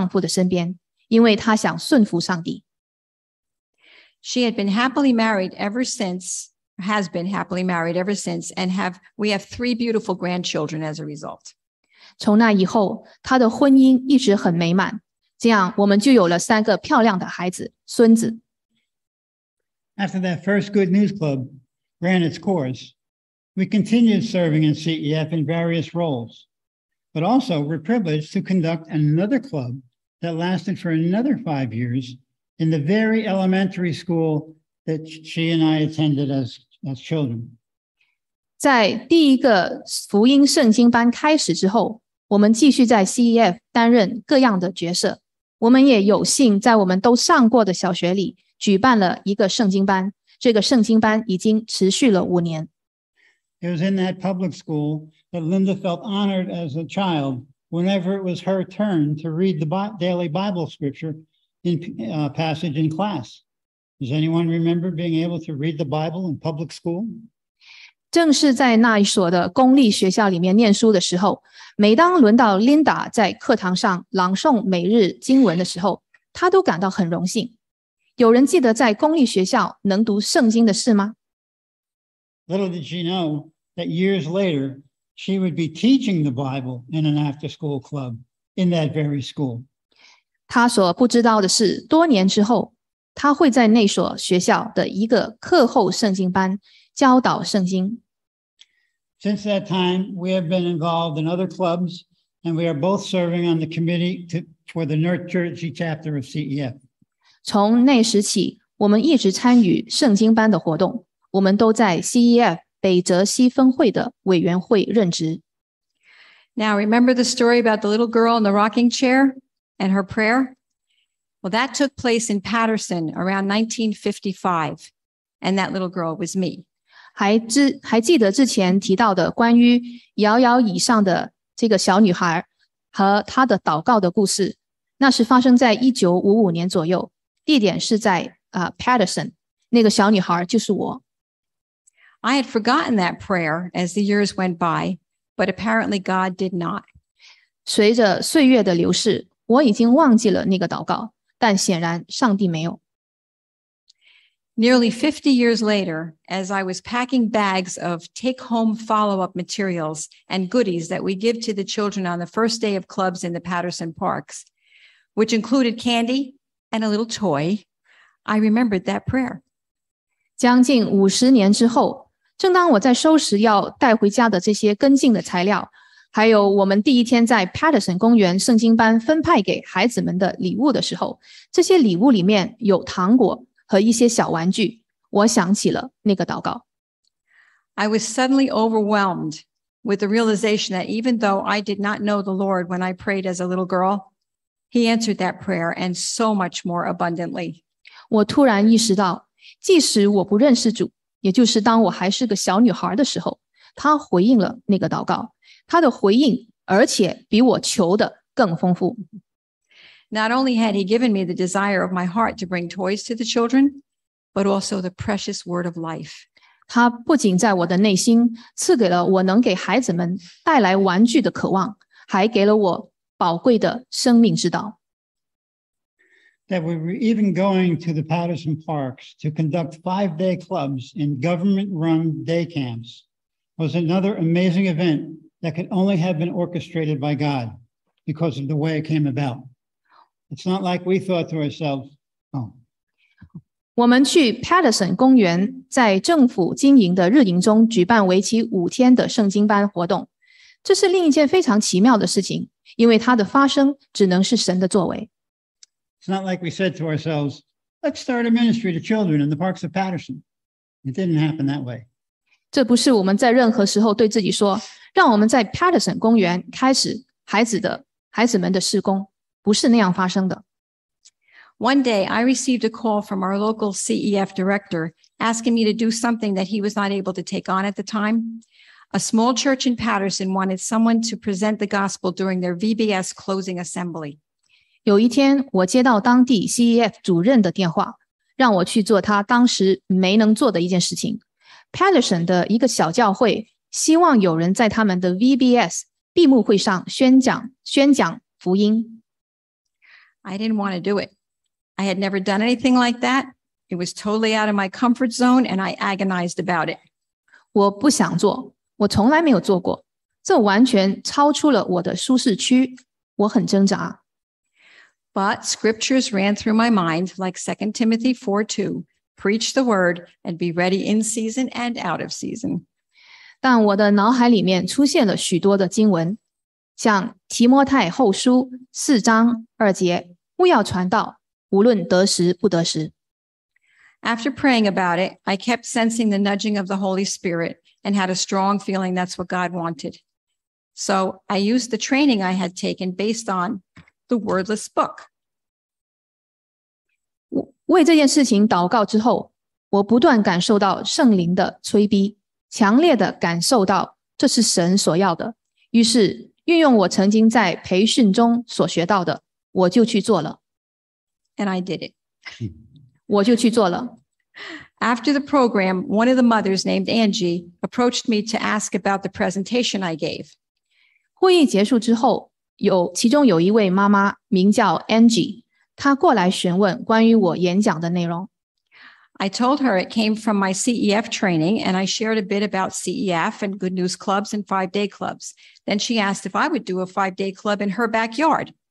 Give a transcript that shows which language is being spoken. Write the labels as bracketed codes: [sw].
[zh] 神的话播种在Katie的心里面,然后在她妈妈的心里面,然后在我们女儿的心里面,有一天她宣布她会回到丈夫的身边,因为她想顺服上帝。 [en] She had been happily married ever since, has been happily married ever since, and we have three beautiful grandchildren as a result. [zh] 从那以后,她的婚姻一直很美满,这样我们就有了三个漂亮的孩子,孙子。 [en] After that first Good News Club ran its course, we continued serving in CEF in various roles, but also were privileged to conduct another club that lasted for another 5 years, in the very elementary school that she and I attended as children. [zh] 在第一个福音圣经班开始之后，我们继续在 CEF 担任各样的角色。我们也有幸在我们都上过的小学里举办了一个圣经班，这个圣经班已经持续了五年。 [en] It was in that public school that Linda felt honored as a child whenever it was her turn to read the daily Bible scripture in passage in class. Does anyone remember being able to read the Bible in public school? [zh] 正是在那一所的公立学校里面念书的时候，每当轮到 Linda 在课堂上朗诵每日经文的时候，她都感到很荣幸。有人记得在公立学校能读圣经的事吗？ [en] Little did she know that years later, she would be teaching the Bible in an after-school club in that very school. [zh] 她所不知道的是，多年之后，她会在那所学校的一个课后圣经班教导圣经。 [en] Since that time, we have been involved in other clubs, and we are both serving on the committee for the North Jersey chapter of CEF. [zh] 从那时起，我们一直参与圣经班的活动。我们都在 CEF 北泽西分会的委员会任职。 [en] Now, remember the story about the little girl in the rocking chair and her prayer? Well, that took place in Patterson around 1955, and that little girl was me. [zh] 还记得之前提到的关于摇摇椅上的这个小女孩和她的祷告的故事，那是发生在1955年左右，地点是在Patterson, 那个小女孩就是我。 [en] I had forgotten that prayer as the years went by, but apparently God did not. [zh] 随着岁月的流逝，我已经忘记了那个祷告，但显然上帝没有。 [en] Nearly 50 years later, as I was packing bags of take-home follow-up materials and goodies that we give to the children on the first day of clubs in the Patterson Parks, which included candy and a little toy, I remembered that prayer. [zh] 将近50年之后，正当我在收拾要带回家的这些跟进的材料，还有我们第一天在 Patterson 公园圣经班分派给孩子们的礼物的时候，这些礼物里面有糖果和一些小玩具，我想起了那个祷告。 [en] I was suddenly overwhelmed with the realization that even though I did not know the Lord when I prayed as a little girl, He answered that prayer and so much more abundantly. [zh] 我突然意识到，即使我不认识主，也就是当我还是个小女孩的时候，她回应了那个祷告，她的回应而且比我求的更丰富。 [en] Not only had he given me the desire of my heart to bring toys to the children, but also the precious word of life. [zh] 他不仅在我的内心赐给了我能给孩子们带来玩具的渴望，还给了我宝贵的生命之道。 [en] That we were even going to the Patterson Parks to conduct five-day clubs in government-run day camps was another amazing event that could only have been orchestrated by God because of the way it came about. It's not like we thought to ourselves, oh. [zh] 我们去 Patterson 公园在政府经营的日营中举办为期五天的圣经班活动。这是另一件非常奇妙的事情，因为它的发生只能是神的作为。 [en] It's not like we said to ourselves, let's start a ministry to children in the parks of Patterson. It didn't happen that way. [zh] 这不是我们在任何时候对自己说，让我们在 Patterson 公园开始孩子们的事工，不是那样发生的。 [en] One day, I received a call from our local CEF director asking me to do something that he was not able to take on at the time. A small church in Patterson wanted someone to present the gospel during their VBS closing assembly. [zh] 有一天，我接到当地 CEF 主任的电话，让我去做他当时没能做的一件事情。 Patterson 的一个小教会希望有人在他们的 VBS 闭幕会上宣讲福音。 [en] I didn't want to do it. I had never done anything like that. It was totally out of my comfort zone, and I agonized about it. [zh] 我不想做，我从来没有做过，这完全超出了我的舒适区，我很挣扎。 [en] But scriptures ran through my mind like 2 Timothy 4:2, preach the word and be ready in season and out of season. [zh] 但我的脑海里面出现了许多的经文，像提摩太后书4:2，务要传道，无论得时不得时。 [en] After praying about it, I kept sensing the nudging of the Holy Spirit and had a strong feeling that's what God wanted. So I used the training I had taken based on the wordless book. [zh] 为这件事情祷告之后，我不断感受到圣灵的催逼，强烈的感受到这是神所要的。于是运用我曾经在培训中所学到的，我就去做了。 [en] And I did it. [zh] 我就去做了。 [en] After the program, one of the mothers named Angie approached me to ask about the presentation I gave. [zh] 会议结束之后，其中有一位妈妈名叫 Angie。他过来询问关于我演讲的内容。 [en] I told her it came from my CEF training, and I shared a bit about CEF and Good News Clubs and five-day clubs. Then she asked if I would do a five-day club in her backyard.